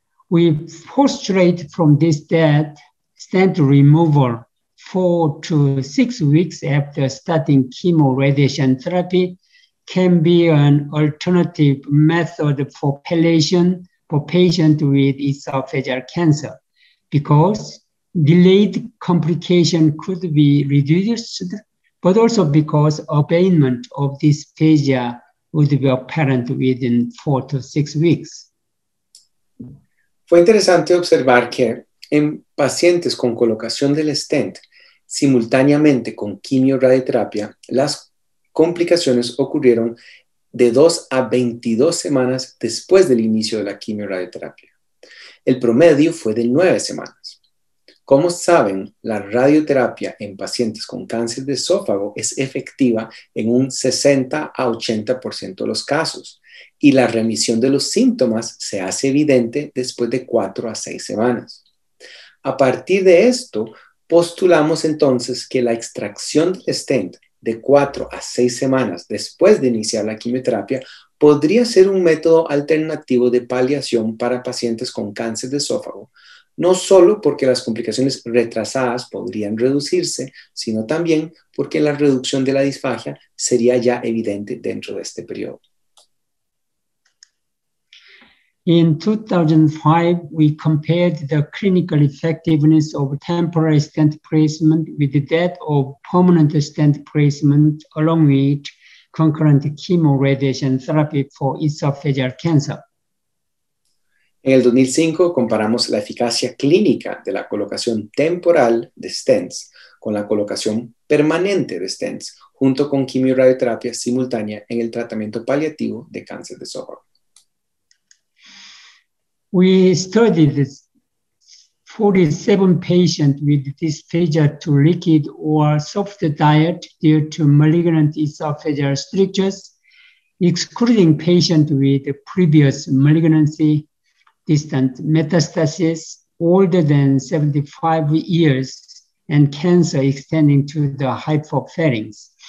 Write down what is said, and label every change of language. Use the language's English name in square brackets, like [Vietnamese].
[English] We postulate from this that stent removal 4 to 6 weeks after starting chemo radiation therapy can be an alternative method for palliation for patients with esophageal cancer because delayed complication could be reduced, but also because abatement of dysphagia would be apparent within 4 to 6 weeks. [Spanish] Fue interesante observar que en pacientes con colocación del stent simultáneamente con quimioradioterapia, las complicaciones ocurrieron de 2 a 22 semanas después del inicio de la quimioradioterapia. El promedio fue de 9 semanas. Como saben, la radioterapia en pacientes con cáncer de esófago es efectiva en un 60 a 80% de los casos y la remisión de los síntomas se hace evidente después de 4 a 6 semanas. A partir de esto, postulamos entonces que la extracción del stent de 4 a 6 semanas después de iniciar la quimioterapia podría ser un método alternativo de paliación para pacientes con cáncer de esófago, no solo porque las complicaciones retrasadas podrían reducirse, sino también porque la reducción de la disfagia sería ya evidente dentro de este periodo. [English] In 2005, we compared the clinical effectiveness of temporary stent placement with that of permanent stent placement along with concurrent chemo radiation therapy for esophageal cancer. [Spanish] En el 2005 comparamos la eficacia clínica de la colocación temporal de stents con la colocación permanente de stents junto con quimioradioterapia simultánea en el tratamiento paliativo de cáncer de esófago. [English] We studied 47 patients with dysphagia to liquid or soft diet due to malignant esophageal strictures, excluding patients with previous malignancy, distant metastasis older than 75 years, and cancer extending to the hypopharynx.